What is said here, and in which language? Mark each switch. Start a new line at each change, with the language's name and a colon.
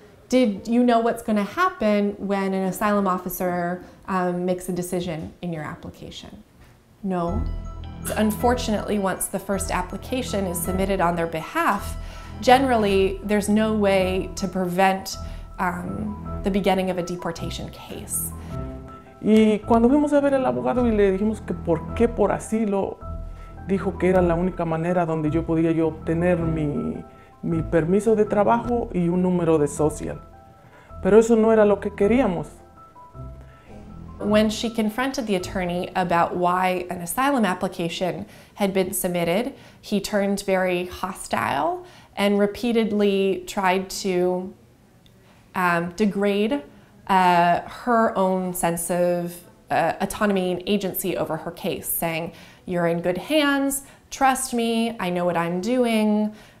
English: Did you know what's going to happen when an asylum officer makes a decision in your application? No. Unfortunately, once the first application is submitted on their behalf, generally there's no way to prevent the beginning of a deportation case.
Spanish: Y cuando fuimos a ver al abogado y le dijimos que por qué por asilo, dijo que era la única manera donde yo podía yo obtener mi permiso de trabajo y un número de social. Pero eso no era lo que queríamos.
English: When she confronted the attorney about why an asylum application had been submitted, he turned very hostile and repeatedly tried to degrade her own sense of autonomy and agency over her case, saying, "You're in good hands, trust me, I know what I'm doing.